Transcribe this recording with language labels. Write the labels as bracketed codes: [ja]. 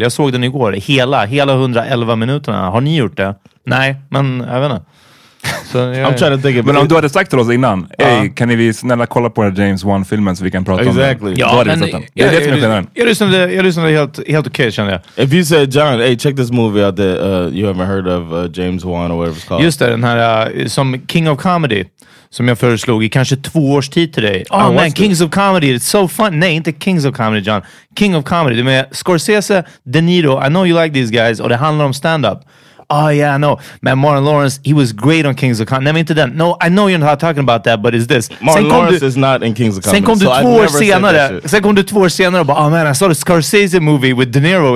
[sv] Jag såg den igår, hela 111 minuterna. Har ni gjort det? Nej, men jag vet inte. [en] I'm trying to think of [sv] it. Men om du hade sagt till oss innan, hey, kan ni snälla kolla på James Wan-filmen så vi kan prata [en] exactly [sv] om den? [en] Exactly. [sv] Ja, jag lyssnade helt okej, känner jag. [en] If you said, John, hey, check this movie out that you haven't heard of, James Wan or whatever it's called. [sv] Just det, den här som King of Comedy, som jag föreslog i kanske 2 års tid till dig. [en] Oh man, Kings of Comedy, it's so fun. [sv] Nej, inte Kings of Comedy, John. [en] King of Comedy, [sv] det med [en] Scorsese, De Niro, I know you like these guys, [sv] och det handlar om stand-up. [en] Oh yeah, I know. Man, Martin Lawrence, he was great on Kings of Comedy. [sv] Nej, men inte den. [en] No, I know you're not talking about that, but it's this. Martin Lawrence is not in Kings of Comedy. [sv] Sen kom du två år senare. Sen kom du två år senare och bara, [en] oh man, I saw the Scorsese movie with De Niro.